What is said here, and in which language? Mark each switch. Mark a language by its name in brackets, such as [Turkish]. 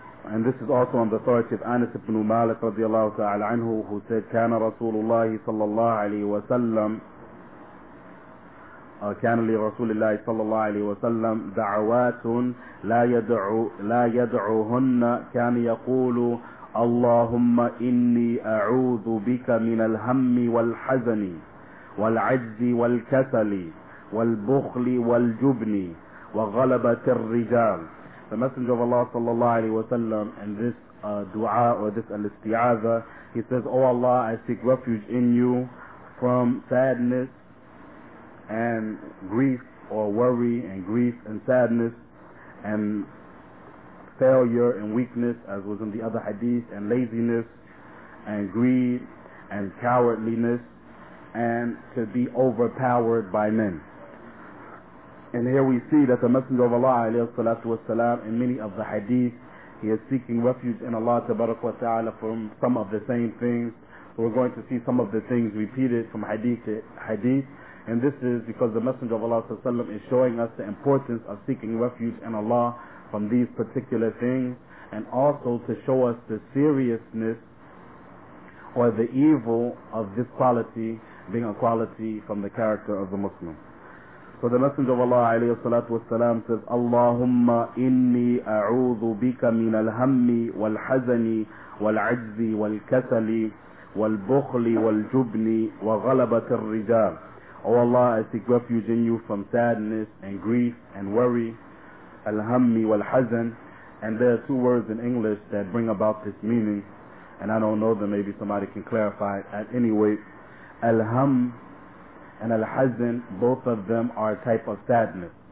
[English] And this is also on the authority of Anas ibn Malik radiallahu ta'ala anhu, who said, [Arabic] كان رسول الله صلى الله عليه وسلم كان لرسول الله صلى الله عليه وسلم دعوات لا يدعوهن كان يقول اللهم إني أعوذ بك من الهم والحزن والعجز والكسل والبخل والجبن وغلبة الرجال. [English] The Messenger of Allah sallallahu alayhi wa sallam, in this dua or this al-isti'adha, he says, O Allah, I seek refuge in you from sadness and grief, or worry and grief and sadness and failure and weakness, as was in the other hadith, and laziness and greed and cowardliness and to be overpowered by men. And here we see that the Messenger of Allah alayhi salatu wasalam, in many of the hadith, he is seeking refuge in Allah tabarak wa ta'ala from some of the same things. We're going to see some of the things repeated from hadith to hadith. And this is because the Messenger of Allah sallam, is showing us the importance of seeking refuge in Allah from these particular things, and also to show us the seriousness or the evil of this quality being a quality from the character of the Muslim. So the Messenger of Allah [Arabic] عليه الصلاة والسلام says, اللهم إني أعوذ بك من الهم والحزن والعجز والكسل والبخل والجبن وغلبة الرجال. [English] O Allah, I seek refuge in you from sadness and grief and worry. [Arabic] الهم والحزن. [English] And there are 2 words in English that bring about this meaning, and I don't know them, maybe somebody can clarify it. At any rate, الهم and al-hazan, both of them are a type of sadness.